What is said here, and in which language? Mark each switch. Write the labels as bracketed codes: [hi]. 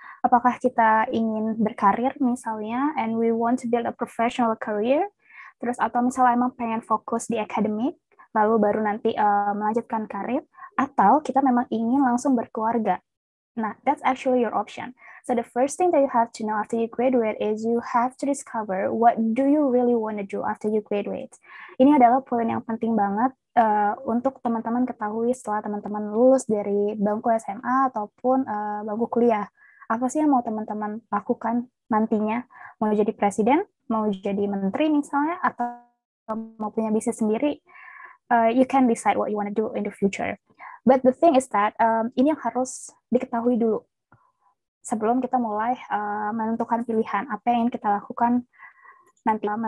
[id] Apakah kita ingin berkarir misalnya, [en] and we want to build a professional career, [id] terus atau misalnya emang pengen fokus di akademik, lalu baru nanti melanjutkan karir, atau kita memang ingin langsung berkeluarga. [en] Nah, that's actually your option. So the first thing that you have to know after you graduate is you have to discover what do you really want to do after you graduate. [id] Ini adalah poin yang penting banget untuk teman-teman ketahui setelah teman-teman lulus dari bangku SMA ataupun bangku kuliah. Apa sih yang mau teman-teman lakukan nantinya? Mau jadi presiden, mau jadi menteri misalnya, atau mau punya bisnis sendiri? [en] You can decide what you want to do in the future. But the thing is that [id] ini yang harus diketahui dulu sebelum kita mulai menentukan pilihan apa yang kita lakukan nanti.